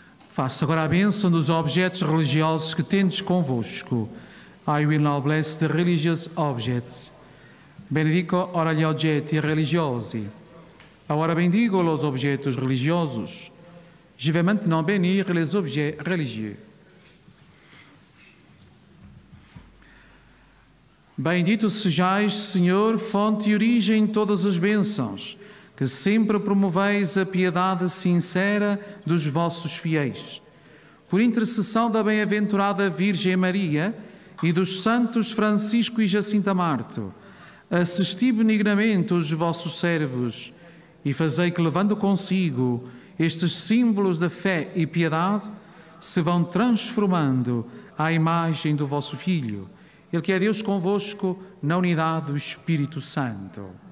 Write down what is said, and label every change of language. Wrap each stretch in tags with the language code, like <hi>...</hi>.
<pt>Faça agora a bênção dos objetos religiosos que tendes convosco.</pt> <en>I will now bless the religious objects.</en> <it>Benedico ora gli oggetti religiosi.</it> <pt>Agora bendigo os objetos religiosos.</pt> <fr>Je vais maintenant bénir les objets religieux.</fr> <pt>Bendito sejais, Senhor, fonte e origem de todas as bênçãos, que sempre promoveis a piedade sincera dos vossos fiéis. Por intercessão da bem-aventurada Virgem Maria e dos santos Francisco e Jacinta Marto, assisti benignamente os vossos servos e fazei que, levando consigo estes símbolos de fé e piedade, se vão transformando à imagem do vosso Filho, Ele que é Deus convosco, na unidade do Espírito Santo.</pt>